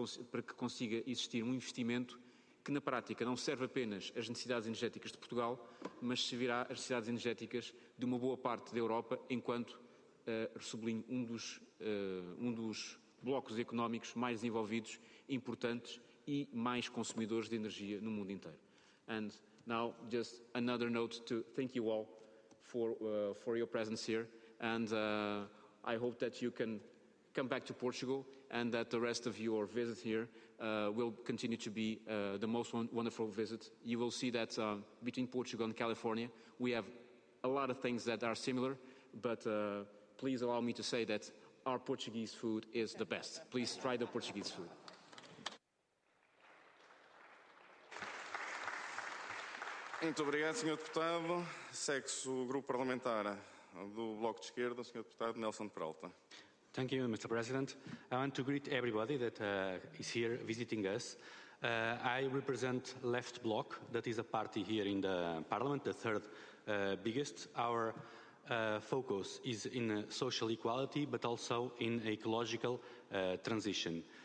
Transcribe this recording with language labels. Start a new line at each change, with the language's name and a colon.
Portuguese: para que consiga existir um investimento que, na prática, não serve apenas às necessidades energéticas de Portugal, mas servirá às necessidades energéticas de uma boa parte da Europa, enquanto, sublinho, um dos blocos económicos mais desenvolvidos, importantes e mais consumidores de energia no mundo inteiro.
English: And now, just another note to thank you all for your presence here, and I hope that you can come back to Portugal and that the rest of your visit here will continue to be the most wonderful visit. You will see that between Portugal and California, we have a lot of things that are similar, but please allow me to say that our Portuguese food is the best. Please try the Portuguese food.
Portuguese: Muito obrigado, Sr. Deputado. Segue-se o grupo parlamentar do Bloco de Esquerda, Sr. Deputado Nelson de Peralta.
English: Thank you, Mr. President. I want to greet everybody that is here visiting us. I represent Left Bloc, that is a party here in the Parliament, the third biggest. Our focus is in social equality, but also in ecological transition.